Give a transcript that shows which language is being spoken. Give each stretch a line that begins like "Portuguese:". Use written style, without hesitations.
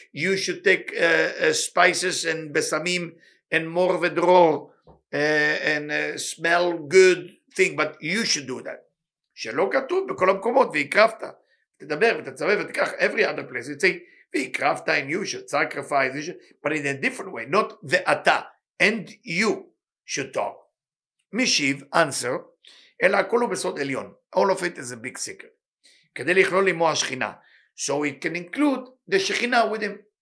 English: You should take spices and besamim and mor v'dror and smell good thing. But you should do that. Shelo katuv bekol hamkomot v'ikrafta. Tedaber v'tatzave v'tikach every other place. It's saying v'ikrafta and you should sacrifice. But in a different way. Not v'ata. And you should talk.
Hebrew: משיב, answer, אלא הכל הוא בסוד עליון.
English: All of it is a big secret. כדי לכלול לימו השכינה. So it can include the שכינה with him.